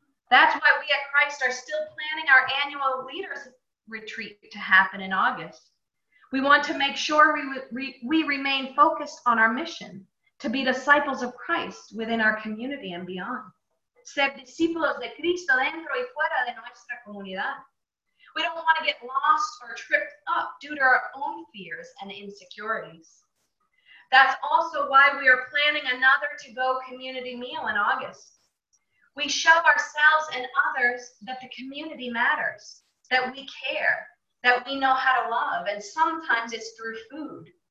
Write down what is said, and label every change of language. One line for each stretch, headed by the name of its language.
English: That's why we at Christ are still planning our annual leaders retreat to happen in August. We want to make sure we remain focused on our mission to be disciples of Christ within our community and beyond.
Spanish: Ser discípulos de Cristo dentro y fuera de nuestra comunidad.
English: We don't want to get lost or tripped up due to our own fears and insecurities. That's also why we are planning another to-go community meal in August. We show ourselves and others that the community matters, that we care, that we know how to love, and sometimes it's through food.